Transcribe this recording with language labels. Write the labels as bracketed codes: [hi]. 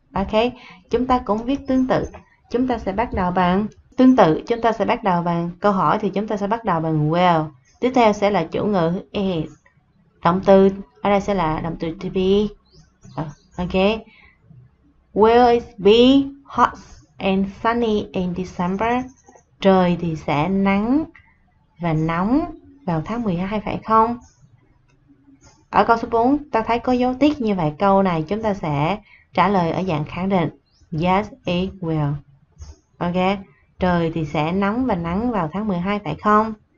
[vi] Ok, chúng ta cũng viết tương tự. Chúng ta sẽ bắt đầu bằng tương tự. Chúng ta sẽ bắt đầu bằng câu hỏi thì chúng ta sẽ bắt đầu bằng will. Tiếp theo sẽ là chủ ngữ is. Động từ ở đây sẽ là động từ to be. Ok. [en] Will it be hot and sunny in December? [vi] Trời thì sẽ nắng và nóng vào tháng 12 phải không? Ở câu số 4, ta thấy có dấu tích, như vậy câu này chúng ta sẽ trả lời ở dạng khẳng định. [en] Yes, it will. [vi] Ok, trời thì sẽ nóng và nắng vào tháng 12 phải không?